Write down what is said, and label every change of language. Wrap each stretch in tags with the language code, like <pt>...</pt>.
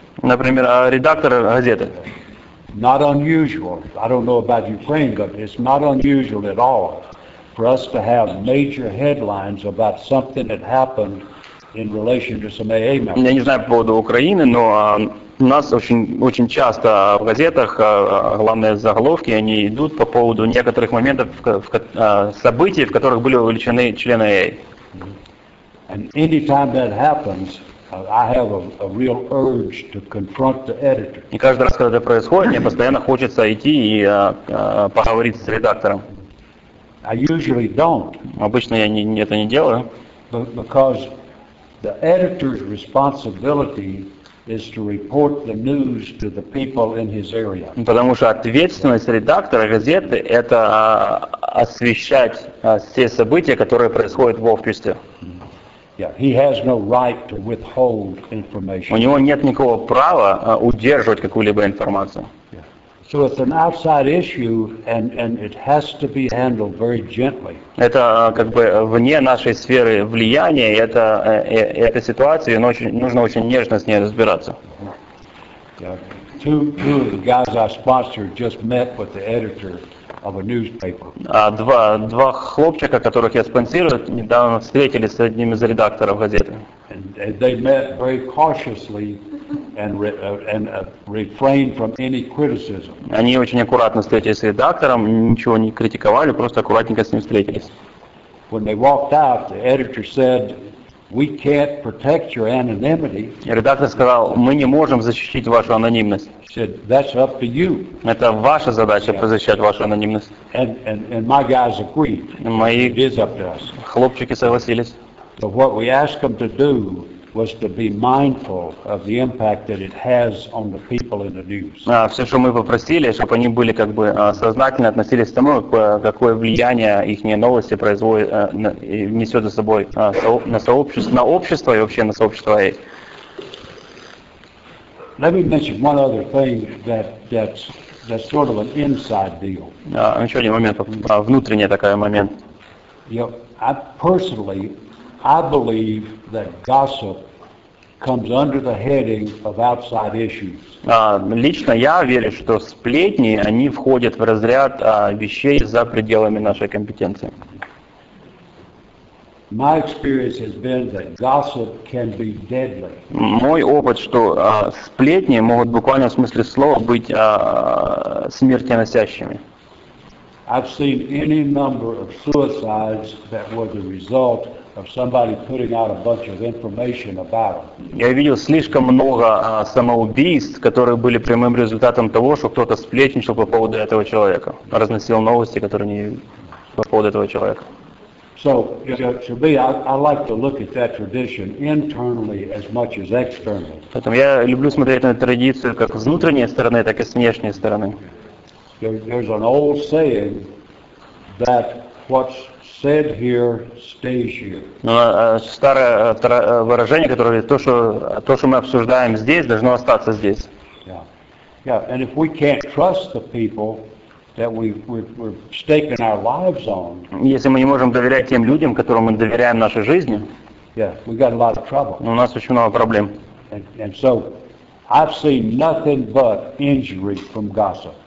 <ru>Например, редактор газеты.</ru> <en>Not unusual. I don't know about Ukraine, but it's not unusual at all for us to have major headlines about something that happened in relation to some AA members.</en> <ru>Я не знаю по поводу Украины, но у нас очень часто в газетах главные заголовки, они идут по поводу некоторых моментов событий, в которых были увлечены члены AA.</ru> <en>And anytime that happens, I have a real urge to confront the editor.</en> <ru>И каждый раз, когда это происходит, мне постоянно хочется идти и поговорить с редактором.</ru> <en>I usually don't.</en> <ru>Обычно я это не делаю.</ru> <en>Because the editor's responsibility is to report the news to the people in his area.</en> <ru>Потому что ответственность редактора газеты – это освещать все события, которые происходят в обществе.</ru> <en>Yeah, he has no right to withhold information.</en> <ru>У него нет никакого права удерживать какую-либо информацию.</ru> <en>So it's an outside issue, and it has to be handled very gently.</en> <ru>Это вне нашей сферы влияния, эта ситуация, нужно очень нежно с ней разбираться.</ru> <en>Two of the guys I sponsored just met with the editor of a newspaper.</en> <ru>Два хлопчика, которых я спонсирую, недавно встретились с одним из редакторов газеты.</ru> <en>And they met very cautiously. And refrain from any criticism.</en> <ru>Они очень аккуратно встретились с редактором, ничего не критиковали, просто аккуратненько с ним встретились.</ru> <en>When they walked out, the editor said, "We can't protect your anonymity."</en> <ru>Редактор сказал, мы не можем защитить вашу анонимность.</ru> <en>He said, "That's up to you."</en> <ru>Это ваша задача защищать вашу анонимность.</ru> <en>And my guys agreed. It is up to us.</en> <ru>Хлопчики согласились.</ru> <en>But what we asked them to do was to be mindful of the impact that it has on the people in the news.</en> <ru>Все, что мы попросили, чтобы они были сознательно относились к тому, какое влияние их новости производит, несет за собой на сообщество и вообще на сообщество.</ru> <en>Let me mention one other thing that's sort of an inside deal.</en> <ru>Еще один момент, внутренний такой момент.</ru> <en>Yeah, I personally, I believe that gossip comes under the heading of outside issues.</en> <ru>Лично я верю, что сплетни, они входят в разряд вещей за пределами нашей компетенции.</ru> <en>My experience has been that gossip can be deadly.</en> <ru>Мой опыт, что сплетни могут буквально в смысле слова быть смертоносящими.</ru> <en>I've seen any number of suicides that were the result of somebody putting out a bunch of information about them.</en> <ru>Я видел слишком много самоубийств, которые были прямым результатом того, что кто-то сплетничал по поводу этого человека, разносил новости, которые не по поводу этого человека.</ru> <en>So, to me, I like to look at that tradition internally as much as externally.</en> <ru>Поэтому я люблю смотреть на эту традицию как с внутренней стороны, так и с внешней стороны.</ru> <en>There's an old saying that what's said here stays here.</en> <ru>Ну, старое выражение, которое говорит, то, что мы обсуждаем здесь, должно остаться здесь.</ru> <en>Yeah. Yeah. And if we can't trust the people that we're staking our lives on.</en> <ru>Если мы не можем доверять тем людям, которым мы доверяем нашей жизни.</ru> <en>Yeah, we got a lot of trouble.</en> <ru>У нас очень много проблем.</ru> <en>And so I've seen nothing but injury from gossip.</en>